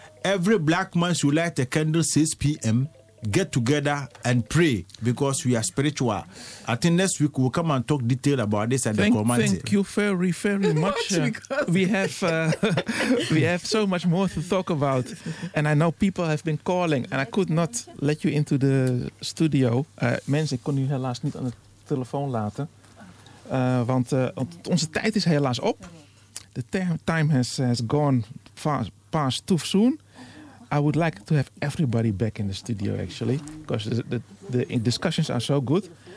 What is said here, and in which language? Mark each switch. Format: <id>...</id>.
<en>Every black man should light a candle 6 p.m., get together and pray, because we are spiritual. I think next week we'll come and talk detail about this at the Kromanti. Thank you very, very much. we have so much more to talk about. And I know people have been calling, and I could not let you into the studio.</en> <nl>Mensen, ik kon u helaas niet aan de telefoon laten. Want onze tijd is helaas op.</nl> <en>The time has gone past too soon. I would like to have everybody back in the studio, actually, because the discussions are so good.</en>